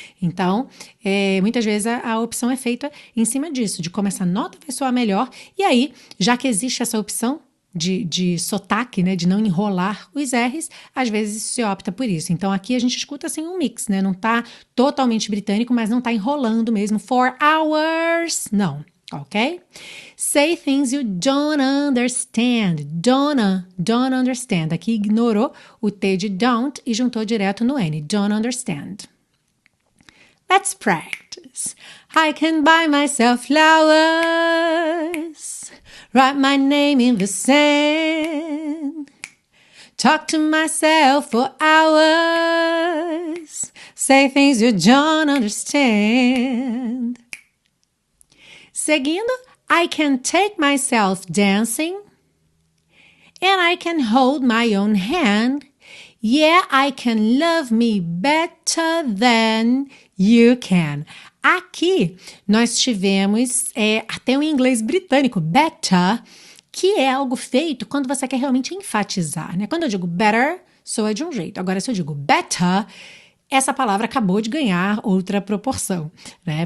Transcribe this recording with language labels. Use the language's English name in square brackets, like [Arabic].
[Portuguese] Então, muitas vezes a opção é feita em cima disso, de como essa nota vai soar melhor. E aí, já que existe essa opção de sotaque, né, de não enrolar os R's, às vezes se opta por isso. Então aqui a gente escuta assim um mix, né, não tá totalmente britânico, mas não tá enrolando mesmo, [English] 4 hours, [Portuguese] não, ok? [English] Say things you don't understand, don't understand, [Portuguese] aqui ignorou o T de don't e juntou direto no N, don't understand. [English] Let's practice. I can buy myself flowers, write my name in the sand, talk to myself for hours, say things you don't understand. Seguindo, I can take myself dancing, and I can hold my own hand. Yeah, I can love me better than you can. [Portuguese] Aqui, nós tivemos até um inglês britânico, better, que é algo feito quando você quer realmente enfatizar, né? Quando eu digo better, soa de um jeito. Agora, se eu digo better, essa palavra acabou de ganhar outra proporção, né?